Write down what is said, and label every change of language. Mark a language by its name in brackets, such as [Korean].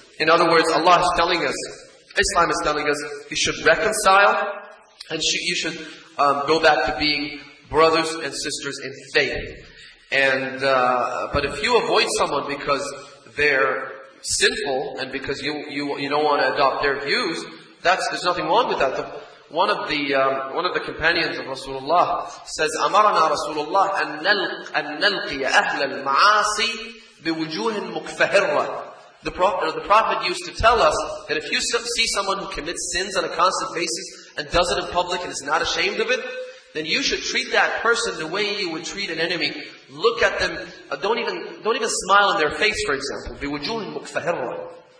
[English] In other words, Allah is telling us, Islam is telling us, you should reconcile, and you should go back to being brothers and sisters in faith. And but if you avoid someone because they're sinful, and because you don't want to adopt their views, there's nothing wrong with that. One of the companions of Rasulullah says, [Arabic] أَمَرَنَا رَسُولُ اللَّهِ أَنَّلْقِيَ أَهْلَ الْمَعَاصِي بِوُجُوهٍ مُكْفَهِرَّةٍ. [English] The Prophet used to tell us that if you see someone who commits sins on a constant basis and does it in public and is not ashamed of it, then you should treat that person the way you would treat an enemy. Look at them, don't even smile in their face, for example. [Arabic] بِوُجُوهٍ مُكْفَهِرَّةٍ.